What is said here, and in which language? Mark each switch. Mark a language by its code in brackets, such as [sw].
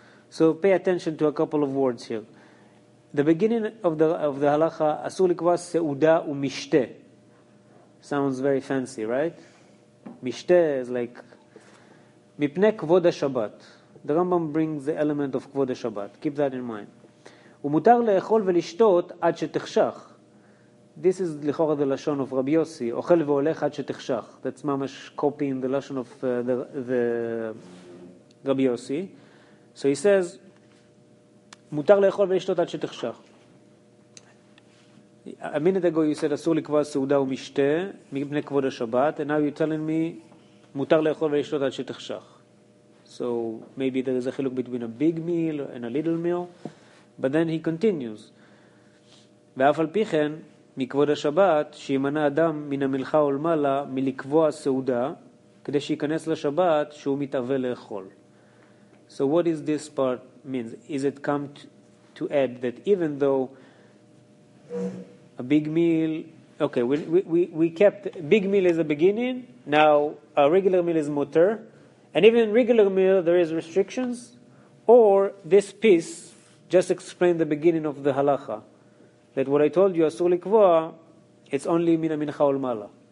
[en] So pay attention to a couple of words here. The beginning of the halacha, [he] אסור לקבוע סעודה ומשתה. [en] Sounds very fancy, right? משתה is like [he] מפני כבוד השבת. [en] The Rambam brings the element of Kvod HaShabbat. Keep that in mind. [he] ומותר לאכול ולשתות עד שתחשך. [en] This is לכאורה the lashon of Rabbi Yossi. [he] אוכל והולך עד שתחשך. [en] That's mamash copying the lashon of the Rabbi Yossi. So he says, [he] מותר לאכול ולשתות עד שתחשך. [en] A minute ago you said [he] אסור לקבוע סעודה ומשתה מפני כבוד השבת, [en] and now you're telling me [he] מותר לאכול ולשתות עד שתחשך. [en] So maybe there is a חילוק between a big meal and a little meal, but then he continues. [he] ואף על פי כן, מכבוד השבת, שימנע אדם מן המלכה ולמעלה מלקבוע סעודה, כדי שייכנס לשבת שהוא מתאווה לאכול. [en] So what is this part means? Is it come to add that even though a big meal, okay, we kept big meal as the beginning, now a regular meal is mutter, and even in regular meal there is restrictions, or this piece just explained the beginning of the halacha, that what I told you, [he] asur likvoa, [en] it's only [he] min ha-mincha ol mala.